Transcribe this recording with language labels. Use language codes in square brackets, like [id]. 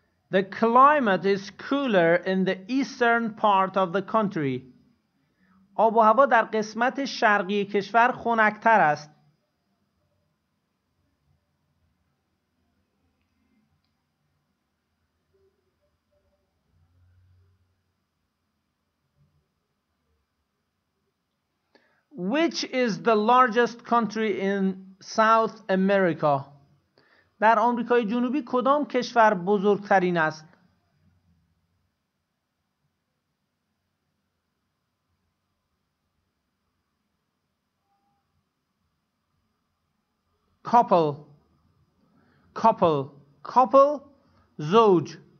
[en] The climate is cooler in the eastern part of the country. [fa] آب و هوا در قسمت شرقی کشور خنک‌تر است. [en] Which is the largest country in South America? [fa] در آمریکای جنوبی کدام کشور بزرگترین است؟ Couple زوج.